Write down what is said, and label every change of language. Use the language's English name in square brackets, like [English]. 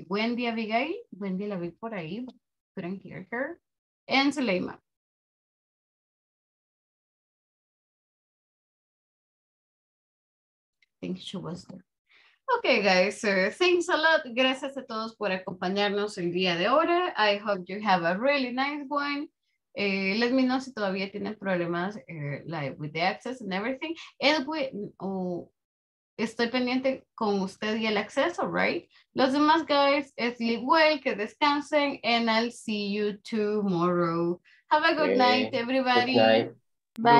[English] Wendy Abigail. Wendy [Spanish] la vi por ahí. [English] Couldn't hear her. And Suleyma. I think she was there. Okay, guys, thanks a lot. [Spanish] Gracias a todos por acompañarnos el día de ahora. [English] I hope you have a really nice one. Let me know [Spanish] si todavía tienen problemas [English] like with the access and everything. [Spanish] Edwin, estoy pendiente con usted y el acceso, right? Los demás, [English] guys, sleep well, [Spanish] que descansen, [English] and I'll see you tomorrow. Have a good night, everybody. Good night. Bye.